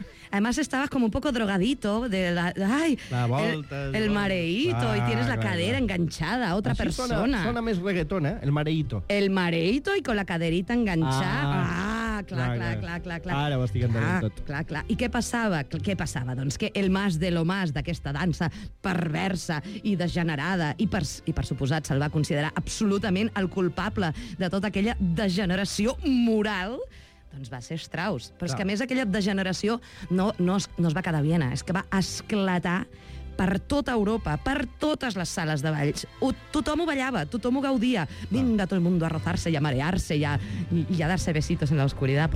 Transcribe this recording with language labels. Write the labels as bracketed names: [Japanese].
[Spanish] Además, estabas como un poco drogadito de la... Ay, la volta... El mareíto, y tienes la cadera enganchada a otra Así persona. Suena más reggaetón, ¿eh? El mareíto. El mareíto y con la caderita enganchada. [Catalan] Clar. Ara ho estic entenent tot. Clar. I què passava? Què passava? Doncs que el mas de lo mas d'aquesta dansa perversa i degenerada, i per suposat se'l va considerar absolutament el culpable de tota aquella degeneració moral, doncs va ser Strauss. Però és que a més aquella degeneració no es va quedar a Viena, és que va esclatar per tota Europa, per totes les sales de balls. Tothom ho ballava, tothom ho gaudia. [Spanish] Vinga, tot el mundo a rozarse y a marearse y a darse besitos en la oscuridad.